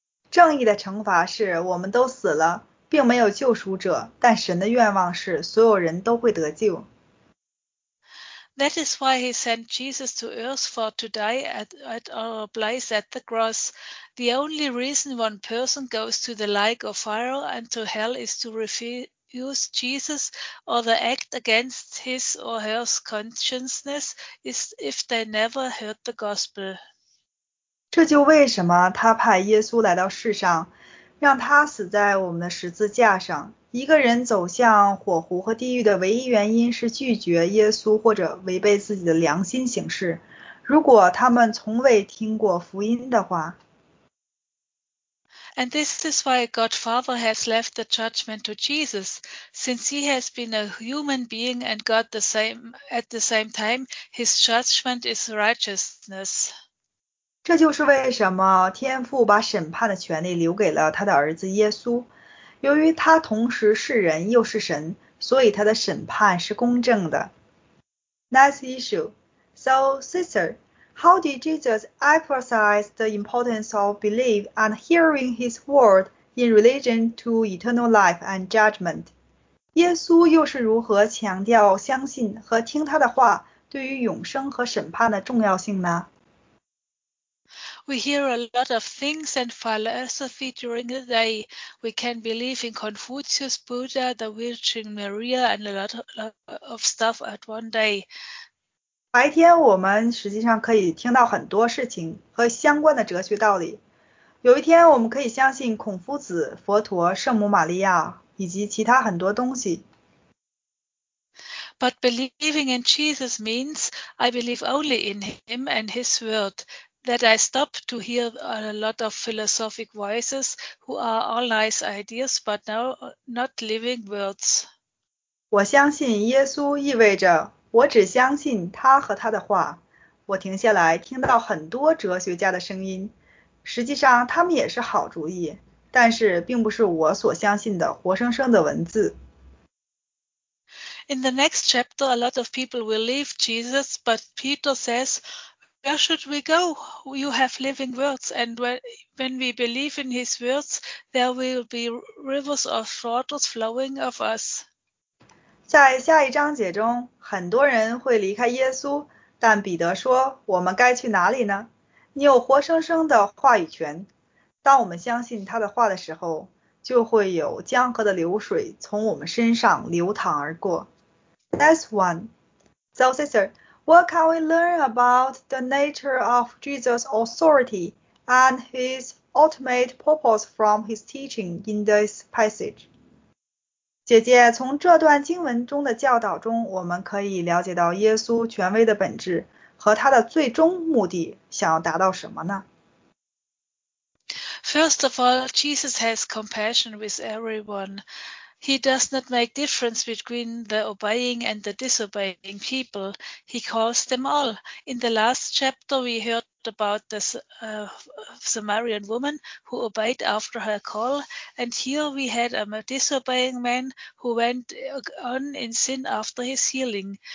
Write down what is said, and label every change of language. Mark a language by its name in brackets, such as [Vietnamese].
[Chinese] 正义的惩罚是我们都死了，并没有救赎者，但神的愿望是所有人都会得救。 [English] That is why he sent Jesus to earth for to die at our place at the cross. The only reason one person goes to the lake of fire and to hell is to refuse Jesus or the act against his or her consciousness is if they never heard the gospel. [Chinese] 这就为什么他派耶稣来到世上，让他死在我们的十字架上。一个人走向火湖和地狱的唯一原因是拒绝耶稣或者违背自己的良心行事。如果他们从未听过福音的话。 [English] And this is why God Father has left the judgment to Jesus. Since he has been a human being and God the same at the same time, his judgment is righteousness. [Chinese] 这就是为什么天父把审判的权利留给了他的儿子耶稣。由于他同时是人又是神，所以他的审判是公正的。 [English] Next issue. So, sister,How did Jesus emphasize the importance of belief and hearing his word in relation to eternal life and judgment? [Chinese] 耶稣又是如何强调相信和听他的话对于永生和审判的重要性呢？ [English] We hear a lot of things and philosophy during the day. We can believe in Confucius, Buddha, the Virgin Maria, and a lot of stuff at one day. [Chinese] 白天我们实际上可以听到很多事情和相关的哲学道理。有一天我们可以相信孔夫子、佛陀、圣母玛利亚以及其他很多东西。 [English] But believing in Jesus means I believe only in him and his word, that I stop to hear a lot of philosophic voices who are all nice ideas but not living words. [Chinese] 我相信耶稣意味着我只相信他和他的话，我停下来，听到很多哲学家的声音。实际上，他们也是好主意，但是并不是我所相信的活生生的文字。 [English] In the next chapter, a lot of people will leave Jesus, but Peter says, "Where should we go? You have living words, and when we believe in his words, there will be rivers of waters flowing of us." [Chinese] 在下一章节中，很多人会离开耶稣，但彼得说：“我们该去哪里呢？” 你有活生生的话语权。当我们相信他的话的时候，就会有江河的流水从我们身上流淌而过。 [English] Next one. So, sister, what can we learn about the nature of Jesus' authority and his ultimate purpose from his teaching in this passage? [Chinese] 姐姐，从这段经文中的教导中，我们可以了解到耶稣权威的本质和他的最终目的想要达到什么呢？ [English] First of all, Jesus has compassion with everyone. He does not make difference between the obeying and the disobeying people. He calls them all. In the last chapter, we heard about the Samaritan woman who obeyed after her call, and here we had a disobeying man who went on in sin after his healing.